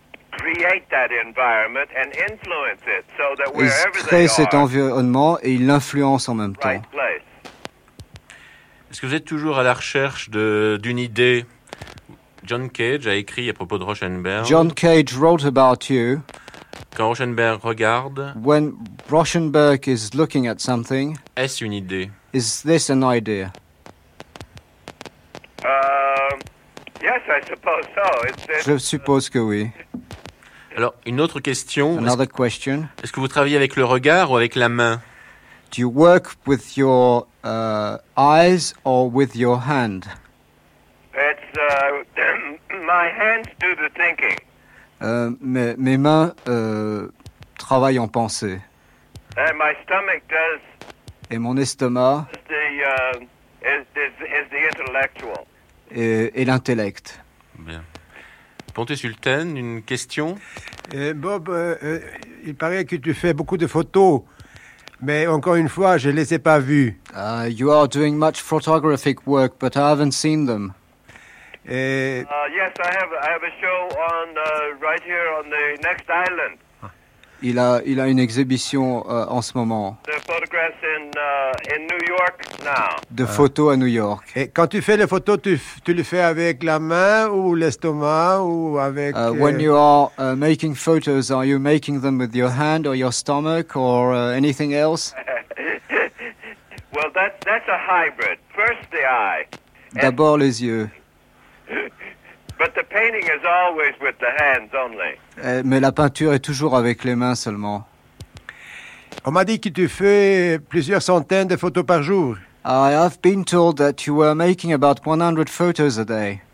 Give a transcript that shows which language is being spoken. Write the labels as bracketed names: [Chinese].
[English] create that environment and influence it so that wherever [French] ils créent cet environnement et ils l'influencent en même temps. Est-ce que vous êtes toujours à la recherche d'une idée? John Cage a écrit à propos de Rauschenberg. [English] John Cage wrote about you. [French] Quand Rauschenberg regarde. [English] When Rauschenberg is looking at something. [French] Est-ce une idée? [English] Is this an idea? Yes, I suppose so. [French] Je suppose que oui. Alors, une autre question. [English] Another question. [French] Est-ce que vous travaillez avec le regard ou avec la main? [English] Do you work with your eyes or with your hand? It's my hands do the thinking. [French] Mes mains travaillent en pensée. [English] And my stomach does. [French] Et mon estomac. [English] Is the intellectual. [French] Et l'intellect. Bien. Pontet-Sultan, une question. Bob, il paraît que tu fais beaucoup de photos. Mais encore une fois, je ne les ai pas vus. [English] You are doing much photographic work, but I haven't seen them. Yes, I have a show on right here on the next island. [French] Il a une exhibition en ce moment. [English] The photographs in New York now. [French] De photos à New York. Et quand tu fais les photos, tu le fais avec la main ou l'estomac ou avec? [English] When you are making photos, are you making them with your hand or your stomach or anything else? Well, that's a hybrid. First the eye. [French] D'abord les yeux. [English] But the painting is always with the hands only. [French] Mais la peinture est toujours avec les mains seulement. On m'a dit que tu fais plusieurs centaines de photos par jour. [English] I have been told that you were making about 100 photos a day.